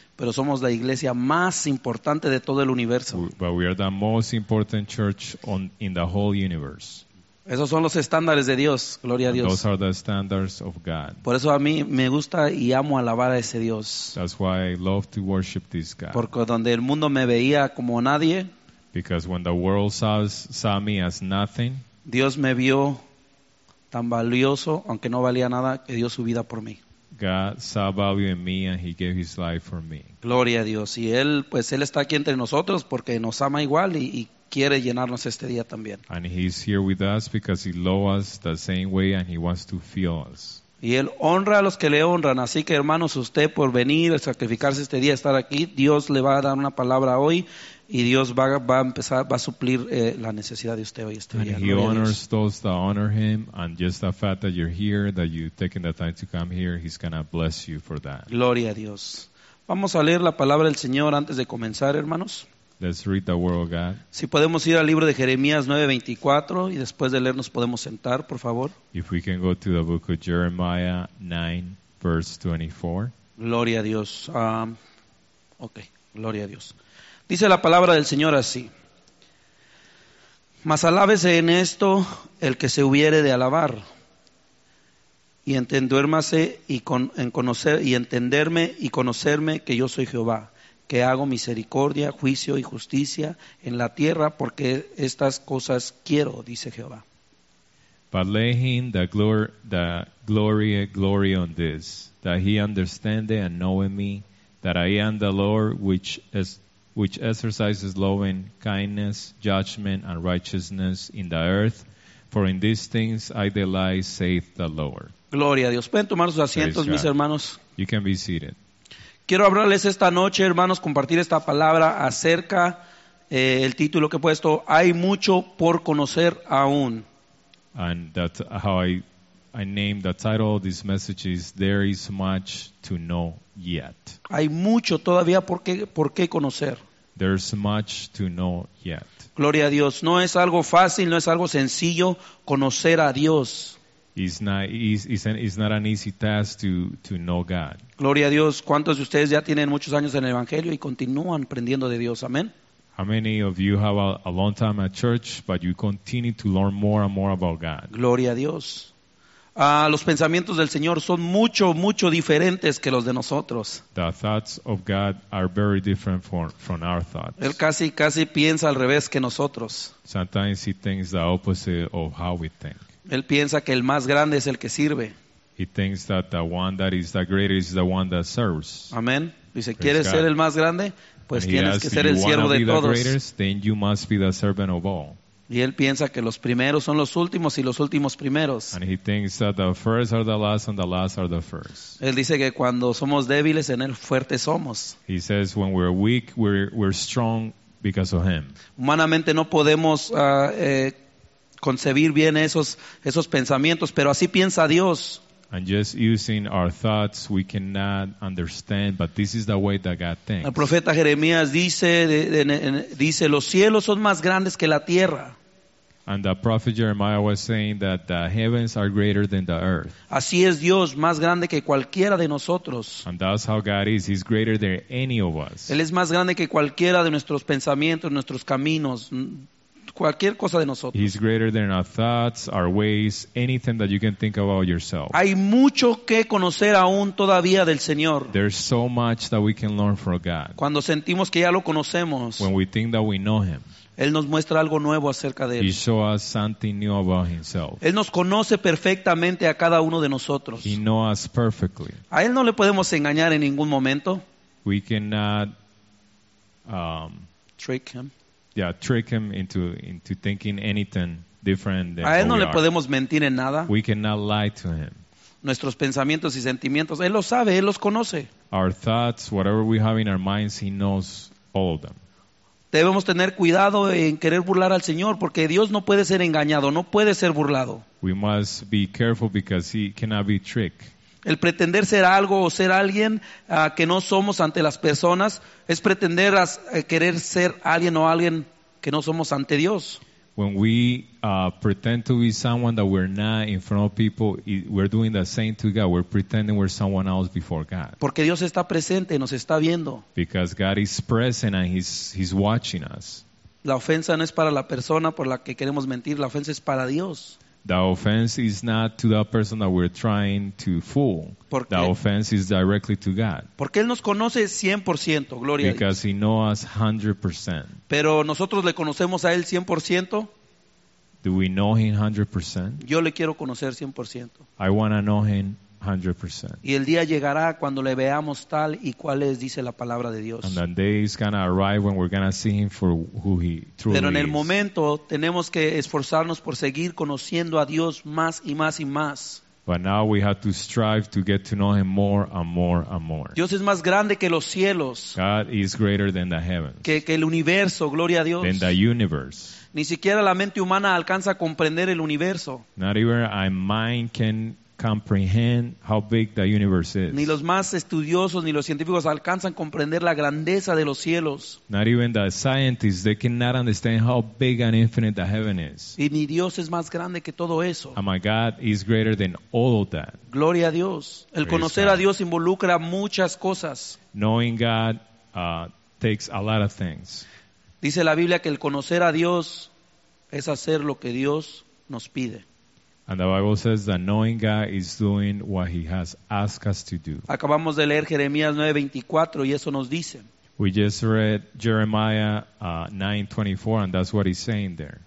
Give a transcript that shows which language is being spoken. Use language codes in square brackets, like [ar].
[es] Pero somos la iglesia más importante de todo el universo. [en] But we are the most important church in the whole universe. [es] Esos son los estándares de Dios. Gloria a Dios. [en] Those are the standards of God. [es] Por eso a mí me gusta y amo alabar a ese Dios. [en] That's why I love to worship this God. [es] Porque donde el mundo me veía como nadie. [en] Because when the world saw me as nothing, [es] Dios me vio tan valioso, aunque no valía nada, que dio su vida por mí. [en] God saw value in me and he gave his life for me. [es] Gloria a Dios. Y él, pues él está aquí entre nosotros porque nos ama igual y quiere llenarnos este día también. [en] And he's here with us because he loves us the same way and he wants to fill us. [es] Y él honra a los que le honran. Así que hermanos, usted por venir, sacrificarse este día, estar aquí, Dios le va a dar una palabra hoy. Y Dios va a empezar, va a suplir la necesidad de usted hoy este día. [en] And he honors those that honor him, and just the fact that you're here, that you've taken the time to come here, he's gonna bless you for that. [es] Gloria a Dios. Vamos a leer la palabra del Señor antes de comenzar, hermanos. [en] Let's read the word of God. [es] Si podemos ir al libro de Jeremías 9:24 y después de leer nos podemos sentar, por favor. [en] If we can go to the book of Jeremiah 9:24. [es] Gloria a Dios. Okay. Gloria a Dios. Dice la palabra del Señor así: Mas alábese en esto el que se hubiere de alabar, y entendérmase y entenderme y conocerme que yo soy Jehová, que hago misericordia, juicio y justicia en la tierra, porque estas cosas quiero, dice Jehová. [en] But let him glory on this, that he understand and know me, that I am the Lord which exercises loving kindness, judgment, and righteousness in the earth. For in these things I delight, saith the Lord. [es] Gloria a Dios. Pueden tomar sus asientos, mis hermanos. [en] You can be seated. [es] Quiero hablarles esta noche, hermanos, compartir esta palabra acerca el título que he puesto, Hay mucho por conocer aún. [en] And that's how I named the title of this message is There is much to know yet. [es] Hay mucho todavía por qué conocer. [en] There's much to know yet. [es] Gloria a Dios. No es algo fácil, no es algo sencillo conocer a Dios. [en] It's not an easy task to know God. [es] Gloria a Dios. ¿Cuántos de ustedes ya tienen muchos años en el Evangelio y continúan aprendiendo de Dios? Amén. [en] How many of you have a long time at church, but you continue to learn more and more about God? [es] Gloria a Dios. Los pensamientos del Señor son mucho, mucho diferentes que los de nosotros. [en] The thoughts of God are very different from our thoughts. [es] Él casi, casi piensa al revés que nosotros. [en] Sometimes he thinks the opposite of how we think. [es] Él piensa que el más grande es el que sirve. [en] He thinks that the one that is the greatest is the one that serves. [es] Amén. Dice, ¿quieres ser el más grande? Pues tienes que ser el siervo de todos. [en] Greatest, then you must be the servant of all. [es] Y él piensa que los primeros son los últimos y los últimos primeros. [en] And he thinks that the first are the last and the last are the first. [es] Él dice que cuando somos débiles en él fuertes somos. [en] He says when we're weak we're strong because of him. [es] Humanamente no podemos concebir bien esos pensamientos, pero así piensa Dios. [en] And just using our thoughts we cannot understand, but this is the way that God thinks. [es] El profeta Jeremías dice los cielos son más grandes que la tierra. [en] And the prophet Jeremiah was saying that the heavens are greater than the earth. [es] Así es Dios, más grande que cualquiera de nosotros. [en] And that's how God is. He's greater than any of us. [es] Él es más grande que cualquiera de nuestros pensamientos, nuestros caminos, cualquier cosa de nosotros. [en] He's greater than our thoughts, our ways, anything that you can think about yourself. [es] Hay mucho que conocer aún todavía del Señor. [en] There's so much that we can learn from God. [es] Cuando sentimos que ya lo conocemos. [en] When we think that we know him. [es] Él nos muestra algo nuevo acerca de él. [en] He shows us something new about himself. [es] Él nos conoce perfectamente a cada uno de nosotros. [en] He knows us perfectly. [es] A él no le podemos engañar en ningún momento. [en] We cannot trick him. Yeah, trick him into thinking anything different than [es] a él no [en] we [es] le [en] are. [es] Podemos mentir en nada. [en] We cannot lie to him. [es] Nuestros pensamientos y sentimientos, él lo sabe, él los conoce. [en] Our thoughts, whatever we have in our minds, he knows all of them. [es] Debemos tener cuidado en querer burlar al Señor, porque Dios no puede ser engañado, no puede ser burlado. [en] We must be careful because he cannot be tricked. [es] El pretender ser algo o ser alguien que no somos ante las personas es pretender querer ser alguien o alguien que no somos ante Dios. [en] When we pretend to be someone that we're not in front of people, we're doing the same to God. We're pretending we're someone else before God. [es] Porque Dios está presente y nos está viendo. [en] Because God is present and he's watching us. [es] La ofensa no es para la persona por la que queremos mentir. La ofensa es para Dios. [en] The offense is not to that person that we're trying to fool. [es] Porque, [en] the offense is directly to God. [es] Porque Él nos conoce 100%, gloria a Dios. [en] Because He knows us 100%. [es] Pero nosotros le conocemos a Él 100%. [en] Do we know Him 100%? [es] Yo le quiero conocer 100%. [en] I want to know Him 100%. [es] Y el día llegará cuando le veamos tal y cual es, dice la palabra de Dios. [en] And the day is going to arrive when we're going to see Him for who He truly is. [es] Pero en el momento tenemos que esforzarnos por seguir conociendo a Dios más y más y más. [en] But now we have to strive to get to know Him more and more and more. [es] Dios es más grande que los cielos. [en] God is greater than the heavens. [es] Que el universo, gloria a Dios. [en] Than the universe. [es] Ni siquiera la mente humana alcanza a comprender el universo. [en] Not even a mind can comprehend how big the universe is. [es] Ni los más estudiosos ni los científicos alcanzan a comprender la grandeza de los cielos. [en] Not even the scientists, they cannot understand how big and infinite the heaven is. [es] Y ni Dios es más grande que todo eso. [en] And my God is greater than all of that. [es] Gloria a Dios. El [en] praise [es] conocer [en] God. [es] A Dios involucra muchas cosas. [en] Knowing God takes a lot of things. [es] Dice la Biblia que el conocer a Dios es hacer lo que Dios nos pide. [en] And the Bible says that knowing God is doing what He has asked us to do. [es] Acabamos de leer Jeremías 9:24 y eso nos dice. [en] We just read Jeremiah 9:24 and that's what he's saying there.